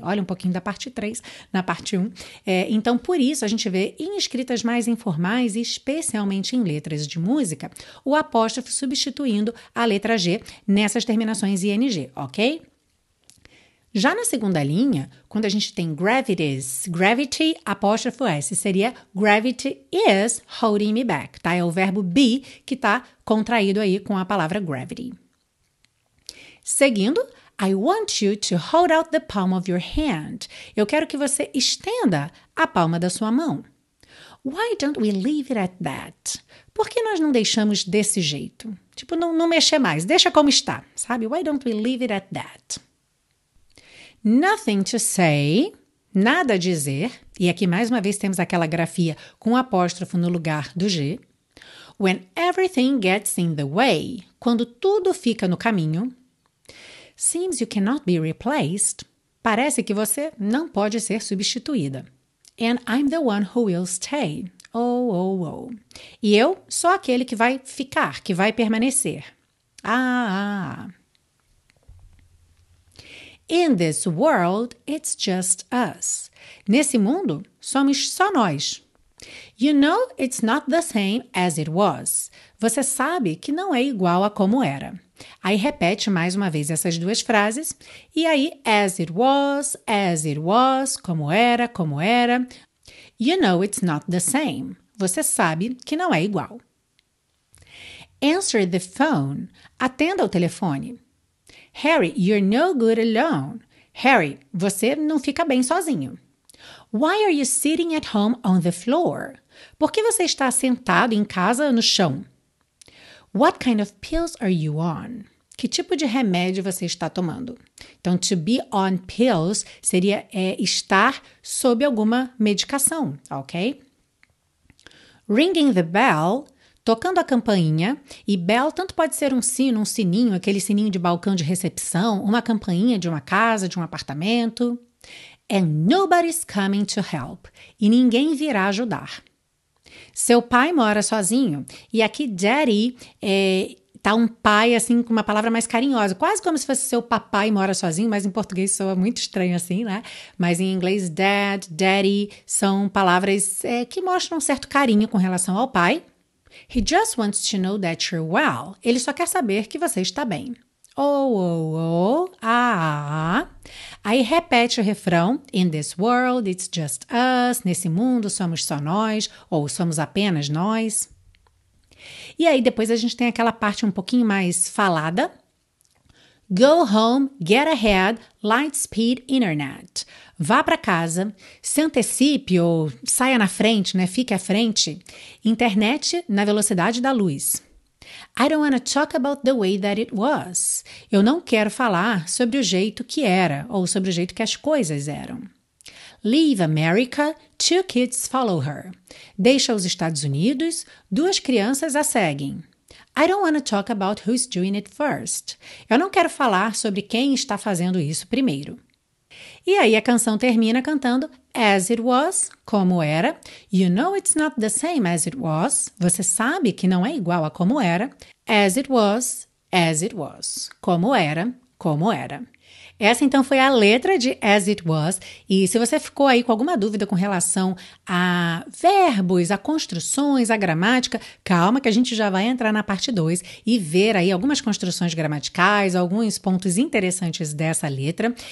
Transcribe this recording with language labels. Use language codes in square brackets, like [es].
[pt] Olha um pouquinho da parte 3, na parte 1. Então, por isso, a gente vê em escritas mais informais, especialmente em letras de música, o apóstrofo substituindo a letra G nessas terminações ing, ok? Já na segunda linha, quando a gente tem gravity, apóstrofo S, seria [en] gravity is holding me back, [pt] tá? É o verbo be que tá contraído aí com a palavra gravity. [en] Seguindo, I want you to hold out the palm of your hand. [pt] Eu quero que você estenda a palma da sua mão. [en] Why don't we leave it at that? [pt] Por que nós não deixamos desse jeito? Tipo, não mexer mais, deixa como está, sabe? [en] Why don't we leave it at that? Nothing to say, [pt] nada a dizer, e aqui mais uma vez temos aquela grafia com apóstrofo no lugar do G. [en] When everything gets in the way, [pt] quando tudo fica no caminho. [en] Seems you cannot be replaced, [pt] parece que você não pode ser substituída. [en] And I'm the one who will stay, Oh, oh, oh. [pt] E eu sou aquele que vai ficar, que vai permanecer. Ah, ah, ah. [en] In this world, it's just us. [pt] Nesse mundo, somos só nós. [en] You know, it's not the same as it was. [pt] Você sabe que não é igual a como era. Aí repete mais uma vez essas duas frases. E aí, [en] as it was, [pt] como era, como era. [en] You know, it's not the same. [pt] Você sabe que não é igual. [en] Answer the phone. [pt] Atenda ao telefone. [en] Harry, you're no good alone. [pt] Harry, você não fica bem sozinho. [en] Why are you sitting at home on the floor? [pt] Por que você está sentado em casa no chão? [en] What kind of pills are you on? [pt] Que tipo de remédio você está tomando? Então, [en] to be on pills [pt] seria estar sob alguma medicação, ok? [en] Ringing the bell, [pt] tocando a campainha, e bell tanto pode ser um sininho, aquele sininho de balcão de recepção, uma campainha de uma casa, de um apartamento. [en] And nobody's coming to help. [pt] E ninguém virá ajudar. Seu pai mora sozinho. E aqui daddy tá um pai assim com uma palavra mais carinhosa. Quase como se fosse seu papai mora sozinho. Mas em português soa muito estranho assim, né? Mas em inglês dad, daddy são palavras que mostram um certo carinho com relação ao pai. [en] He just wants to know that you're well. [pt] Ele só quer saber que você está bem. Oh, oh, oh, ah, ah. Aí repete o refrão, [en] in this world, it's just us, [pt] nesse mundo somos só nós, ou somos apenas nós. E aí depois a gente tem aquela parte um pouquinho mais falada. [en] Go home, get ahead, light speed internet. [pt] Vá para casa, se antecipe ou saia na frente, né? Fique à frente, internet na velocidade da luz. [en] I don't want to talk about the way that it was. [pt] Eu não quero falar sobre o jeito que era ou sobre o jeito que as coisas eram. [en] Leave America, two kids follow her. [pt] Deixa os Estados Unidos, duas crianças a seguem. [en] I don't want to talk about who's doing it first. [pt] Eu não quero falar sobre quem está fazendo isso primeiro. E aí a canção termina cantando [en] as it was, [pt] como era. [en] You know it's not the same as it was. [pt] Você sabe que não é igual a como era. [en] As it was, [pt] como era, como era. Essa então foi a letra de as it was. E se você ficou aí com alguma dúvida com relação a verbos, a construções, a gramática, calma que a gente já vai entrar na parte 2 e ver aí algumas construções gramaticais, alguns pontos interessantes dessa letra.